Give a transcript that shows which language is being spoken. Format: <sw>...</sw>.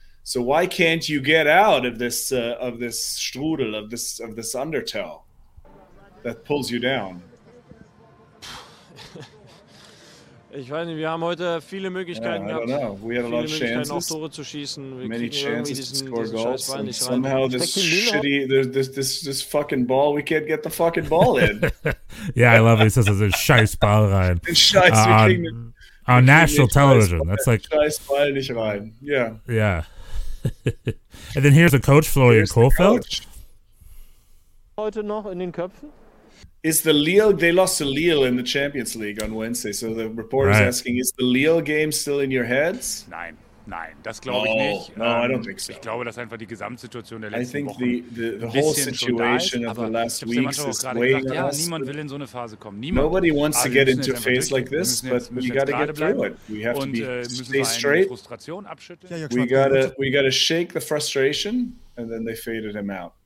<en>So why can't you get out of this strudel, of this undertow that pulls you down?</en> <de>Ich weiß nicht, wir haben heute viele Möglichkeiten gehabt, auch Tore zu schießen. Wir</de> <en>many chances to score goals. And somehow this fucking ball, we can't get the fucking ball in. Yeah, I love it. He says it's a</en> <de>scheiß ball rein.</de> <en>On national television. That's like...</en> <de>Scheiß ball nicht rein. Yeah.</de> <en>Yeah. And then here's the coach, Florian Kohfeldt.</en> <de>Heute noch in den Köpfen?</de> <en>Is the Lille, they lost to Lille in the Champions League on Wednesday. So the reporter is asking, is the Lille game still in your heads?</en> <de>Nein, das glaube ich nicht.</de> <en>No, I don't think so.</en> <de>Ich glaube, dass einfach die Gesamtsituation der letzten Wochen</de> <en>the whole situation of the last weeks is weighing us.</en> <de>Niemand will in so eine Phase kommen. Niemand.</de> <en>Nobody wants to get into a phase like this, but we got to get through it. We have to stay straight. We got to shake the frustration, and then they faded him out.</en>